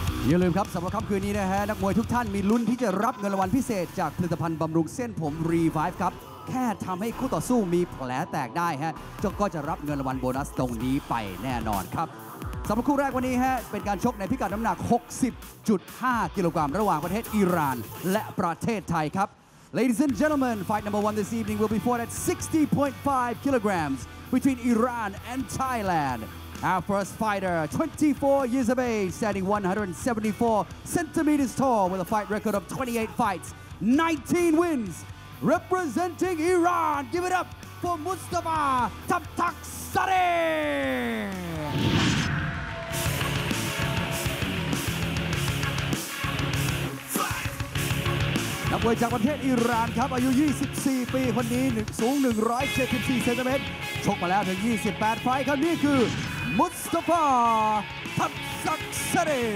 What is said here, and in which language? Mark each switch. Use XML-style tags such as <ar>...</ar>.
<th>อย่าลืมครับสำหรับค่ำคืนนี้นะฮะนักมวยทุกท่านมีลุ้นที่จะรับเงินรางวัลพิเศษจากผลิตภัณฑ์บำรุงเส้นผมรีไวฟ์ครับแค่ทำให้คู่ต่อสู้มีแผลแตกได้ฮะจะก็จะรับเงินรางวัลโบนัสตรงนี้ไปแน่นอนครับสำหรับคู่แรกวันนี้ฮะเป็นการชกในพิกัดน้ำหนัก 60.5 กิโลกรัมระหว่างประเทศอิหร่านและประเทศไทยครับ</th> <en>Ladies and gentlemen, fight number one this evening will be fought at 60.5 kilograms between Iran and Thailand. Our first fighter, 24 years of age, standing 174 centimeters tall with a fight record of 28 fights, 19 wins, representing Iran. Give it up for</en> <th>Mustafa Tabtakzadeนักมวยจากประเทศอิหร่านครับอายุ24ปีคนนี้สูง174เซนติเมตรชกมาแล้วถึง28ไฟต์ครับนี่คือมุสตาฟาทับซักซาเด</th>